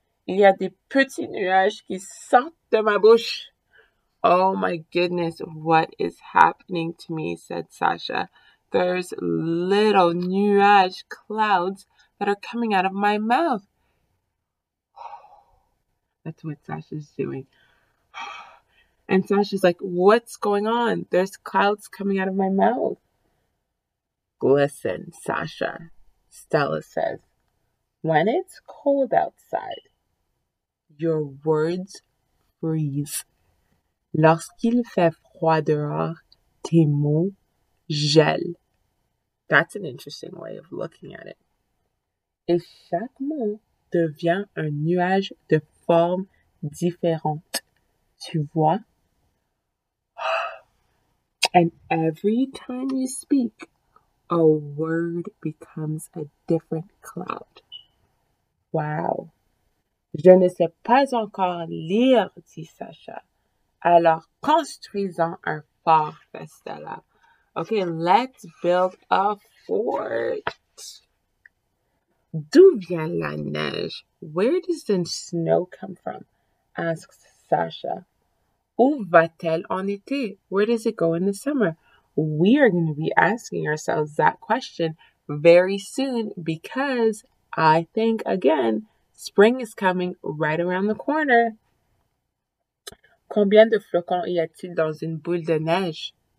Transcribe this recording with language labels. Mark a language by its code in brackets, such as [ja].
[fr] Il y a des petits nuages qui sortent de ma bouche. [en] Oh my goodness, what is happening to me? Said Sasha. There's little nuage clouds that are coming out of my mouth. That's what Sasha's doing. And Sasha's like, what's going on? There's clouds coming out of my mouth. Listen, Sasha, Stella says. When it's cold outside, your words freeze. [fr] Lorsqu'il fait froid dehors, tes mots gèlent. [en] That's an interesting way of looking at it. [fr] Et chaque mot devient un nuage de formes différentes. Tu vois? [en] And every time you speak, a word becomes a different cloud. Wow. [fr] Je ne sais pas encore lire, dit Sacha. Alors, construisons un fort, Stella. [en] Okay, let's build a fort. [fr] D'où vient la neige? [en] Where does the snow come from? Asks Sasha. [fr] Où va-t-elle en été? [en] Where does it go in the summer? We are going to be asking ourselves that question very soon because I think, again, spring is coming right around the corner. [fr] Combien de flocons y a-t-il dans une boule de neige?